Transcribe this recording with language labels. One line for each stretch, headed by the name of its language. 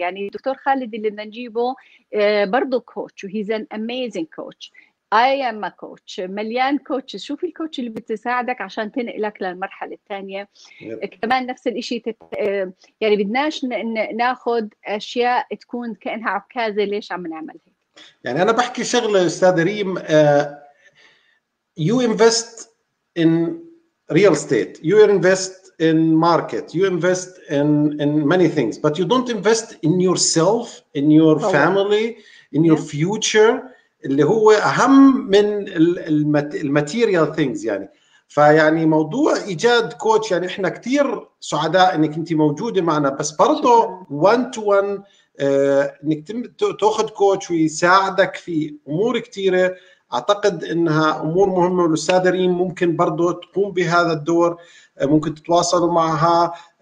Arabic: يعني الدكتور خالد اللي بدنا نجيبه برضو كوتش،
English: وهيز an amazing coach, I am a coach،
Arabic: مليان كوتشز، شوف الكوتش اللي بتساعدك عشان تنقلك للمرحلة الثانية. كمان نفس الإشي، يعني بدناش ناخد أشياء تكون كأنها عكازة، ليش عم نعمل هيك؟ يعني أنا بحكي شغلة أستاذ ريم،
English: you invest in real estate, you invest in market, you invest in many things, but you don't invest in yourself, in your family, in your future،
Arabic: اللي هو أهم من الماتيريال ثينجز. يعني فيعني موضوع إيجاد كوتش، يعني إحنا كتير سعداء إنك أنت موجودة معنا، بس برضو وان تو وان إنك تأخذ كوتش ويساعدك في أمور كتيرة، أعتقد إنها أمور مهمة. والأستاذة ريم ممكن برضو تقوم بهذا الدور، ممكن تتواصلوا معها.